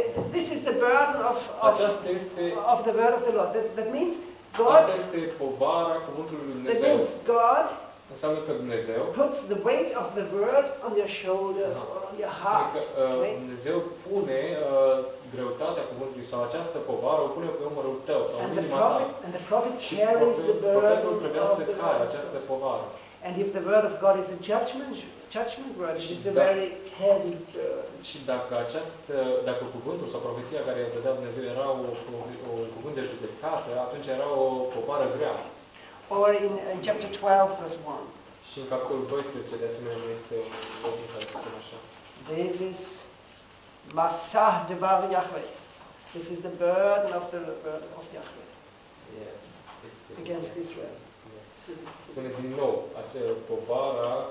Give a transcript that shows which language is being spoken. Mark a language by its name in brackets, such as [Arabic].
[English] This is the burden of the word of the Lord. That means God. [Romanian] Asta este povara cuvântului lui Dumnezeu. [English] That means God. [Romanian] Înseamnă că Dumnezeu. [English] Puts the weight of the word on your shoulders or on your heart. [Romanian] Că, Dumnezeu pune greutatea cuvântului sau această povară o pune pe umărul tău sau inima ta. [English] And the prophet carries the burden of the word. [Romanian] Această povară. [English] And if the word of God is a judgment word, it is a very heavy burden. [Romanian] Și dacă dacă cuvântul sau profeția care îl dădea Dumnezeu era un cuvânt de judecată, atunci era o povară grea. [English] Or in chapter 12, verse 1. [Romanian] Și în capitolul 12, de asemenea, este o cuvânt care se spune așa. [English] This is [Hebrew] Masah Devar Yahweh. [English] This is the burden of the word of Yahweh. Yeah. It's against Israel. [Romanian] Spune din nou, acea povară.